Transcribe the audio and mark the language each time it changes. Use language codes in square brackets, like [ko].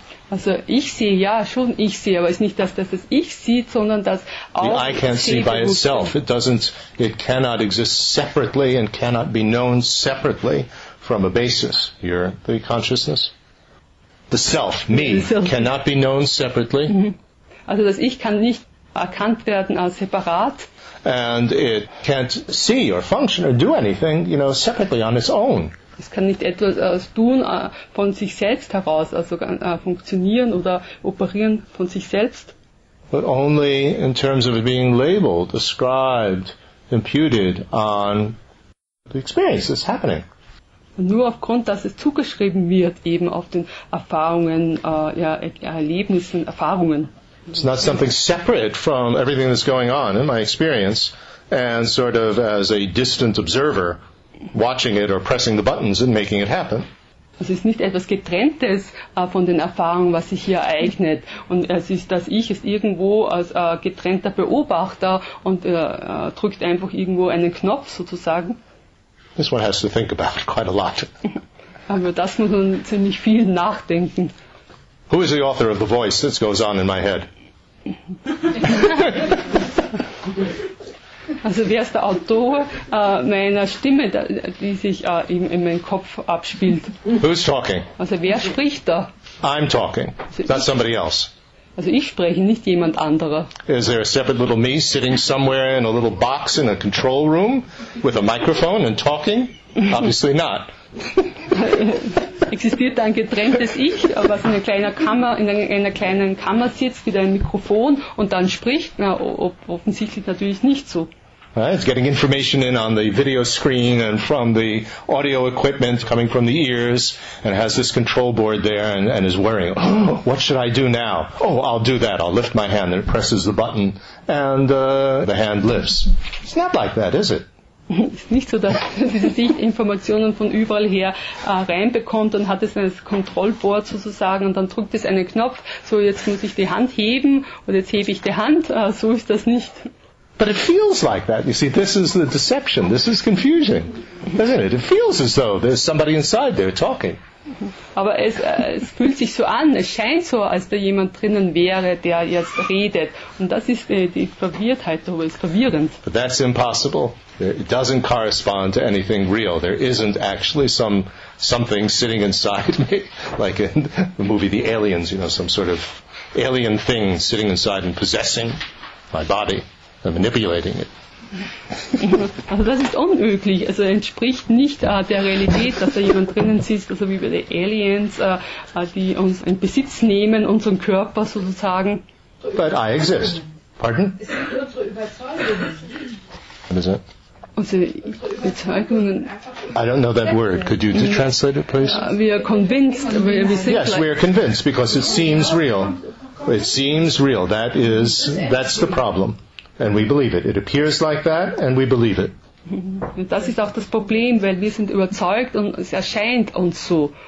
[de] Also ich sehe, ja, schon ich sehe, aber es ist nicht dass das ich sieht, sondern dass auch [en] I can't see by itself. It cannot exist separately and cannot be known separately from a basis. Here, the consciousness. The self, me, cannot be known separately. [de] Also das Ich kann nicht erkannt werden als separat. [en] And it can't see or function or do anything, separately on its own. [de] Es kann nicht etwas tun von sich selbst heraus, also funktionieren oder operieren von sich selbst. [en] But only in terms of it being labeled, described, imputed on the experience that's happening. [de] Und nur aufgrund, dass es zugeschrieben wird, eben auf den Erfahrungen, Erlebnissen, Erfahrungen. [en] It's not something separate from everything that's going on in my experience. and sort of as a distant observer watching it or pressing the buttons and making it happen. [de] Es ist nicht etwas Getrenntes von den Erfahrungen, was sich hier ereignet. Und es ist, dass ich es irgendwo als getrennter Beobachter und drückt einfach irgendwo einen Knopf sozusagen. [en] This one has to think about quite a lot. [de] Aber das muss man ziemlich viel nachdenken. [en] Who is the author of the voice that goes on in my head? [de] Also wer ist der Autor meiner Stimme, die sich in meinem Kopf abspielt? [en] Who's talking? [de] Also wer spricht da? [en] I'm talking. Also that's somebody else. [de] Also ich spreche, nicht jemand anderer. [en] Is there a separate little me sitting somewhere in a little box in a control room with a microphone and talking? Obviously not. [de] Existiert da ein getrenntes Ich, was in einer kleinen Kammer, sitzt mit einem Mikrofon und dann spricht? Na, offensichtlich natürlich nicht so. [en] Right, it's getting information in on the video screen and from the audio equipment coming from the ears and has this control board there and is worrying, oh, what should I do now? Oh, I'll do that. I'll lift my hand and it presses the button and the hand lifts. It's not like that, is it? [de] Es ist nicht so, dass diese Sicht Informationen von überall her reinbekommt und hat es ein Kontrollboard sozusagen und dann drückt es einen Knopf, so jetzt muss ich die Hand heben und jetzt hebe ich die Hand, so ist das nicht. [en] But it feels like that. You see, this is the deception. This is confusing, isn't it? It feels as though there's somebody inside there talking. [de] Aber es fühlt sich so an. Es scheint so, als da jemand drinnen wäre, der jetzt redet. Und das ist die Verwirrtheit darüber. Ist verwirrend. [en] But that's impossible. It doesn't correspond to anything real. There isn't actually something sitting inside me, like in the movie The Aliens. You know, some sort of alien thing sitting inside and possessing my body. I'm manipulating it. [de] Also das ist unmöglich. Also entspricht nicht der Realität, dass da jemand drinnen sitzt, also wie bei den Aliens, die uns in Besitz nehmen, unseren Körper sozusagen. [en] But I exist. Pardon? [de] Es sind unsere Überzeugungen. [en] What is that? [de] Also Überzeugungen. [en] I don't know that word. Could you translate it, please? We are convinced. Yes, we are convinced because it seems real. It seems real. That's the problem. And we believe it. It appears like that, and we believe it. [de] Das ist auch das Problem, weil wir sind überzeugt und es erscheint uns so.